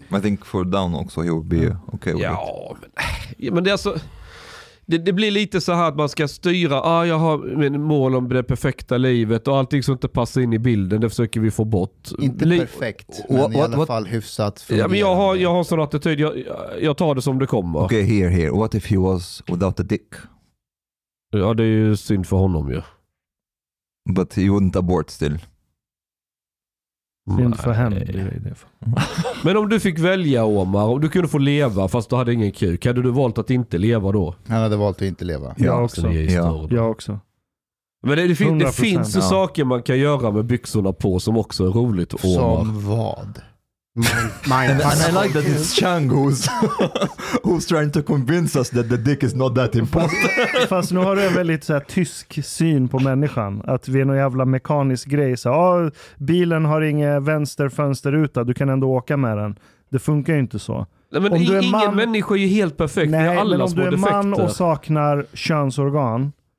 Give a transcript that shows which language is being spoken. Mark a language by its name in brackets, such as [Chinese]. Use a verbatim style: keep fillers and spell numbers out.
[English] I think for down [Swedish] också, [English] he would be okay with ja, it. [Swedish] Men, men det, är alltså, det, det blir lite så här att man ska styra. Ah, jag har min mål om det perfekta livet och allting som inte passar in i bilden, det försöker vi få bort. Inte Li- perfekt, men [English] what, [Swedish] i alla what, fall hyfsat. Ja, men jag har, jag har sån attityd. Jag, jag tar det som det kommer. [English] Okej, okay, here, here. What if he was without a dick? [Swedish] Ja, det är ju synd för honom ju. [English] But he wouldn't abort still. [Swedish] Synd för henne. Men om du fick välja, Omar, om du kunde få leva fast du hade ingen kuk, hade du valt att inte leva då? Han hade valt att inte leva. Jag, jag också. Ja. Jag också. Men det, det, fin- det finns ju ja. Saker man kan göra med byxorna på som också är roligt, Omar. Som vad? [English] My, and, and I like that it's Chang who's, who's trying to convince us that the dick is not that important. [Swedish] Fast, fast nu har du en väldigt så här, tysk syn på människan. Att vi är någon jävla mekanisk grej. Så, ah, bilen har ingen vänsterfönsteruta, du kan ändå åka med den. Det funkar ju inte så. Nej, men om du är ingen man, människa är ju helt perfekt. Nej, alla men om du är defekter. Man och saknar könsorgan.